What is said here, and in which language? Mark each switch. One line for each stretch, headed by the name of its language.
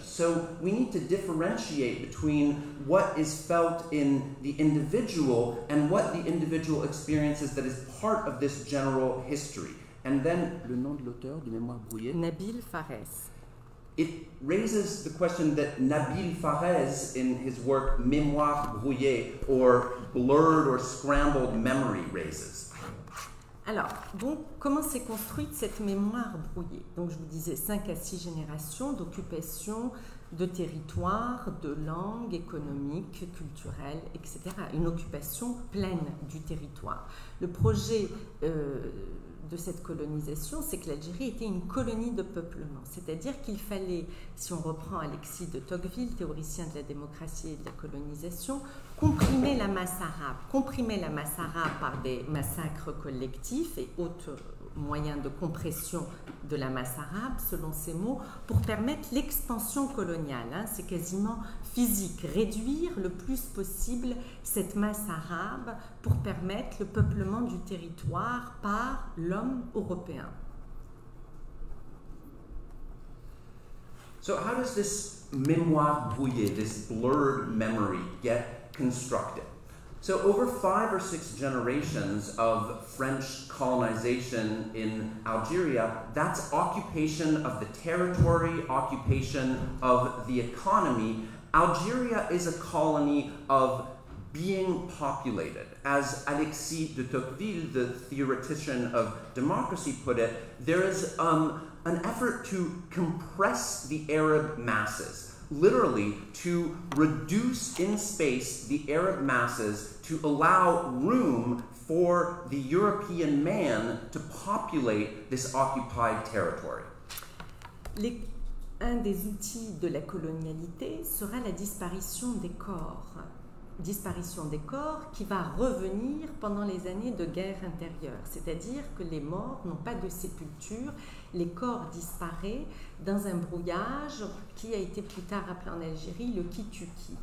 English: So we need to differentiate between what is felt in the individual and what the individual experiences that is part of this general history. And then
French: le nom de l'auteur du mémoire brouillé, Nabil Fares.
English: It raises the question that Nabil Fares, in his work Mémoire brouillée, or blurred or scrambled memory, raises.
French: Alors, bon, comment s'est construite cette mémoire brouillée? Donc, je vous disais, 5 à 6 générations d'occupation de territoire, de langue, économique, culturelle, etc. Une occupation pleine du territoire. Le projet de cette colonisation, c'est que l'Algérie était une colonie de peuplement. C'est-à-dire qu'il fallait, si on reprend Alexis de Tocqueville, théoricien de la démocratie et de la colonisation, comprimer la masse arabe. Comprimer la masse arabe par des massacres collectifs et autres moyens de compression de la masse arabe, selon ces mots, pour permettre l'expansion coloniale. Hein, c'est quasiment physique. Réduire le plus possible cette masse arabe pour permettre le peuplement du territoire par l'homme européen.
English: So how does this mémoire brouillée, this blurred memory, get constructed? So over 5 or 6 generations of French colonization in Algeria, that's occupation of the territory, occupation of the economy. Algeria is a colony of being populated. As Alexis de Tocqueville, the theoretician of democracy, put it, there is an effort to compress the Arab masses, literally to reduce in space the Arab masses to allow room for the European man to populate this occupied territory.
French: Un des outils de la colonialité sera la disparition des corps. Disparition des corps qui va revenir pendant les années de guerre intérieure. C'est-à-dire que les morts n'ont pas de sépulture, les corps disparaissent dans un brouillage qui a été plus tard appelé en Algérie le kituki.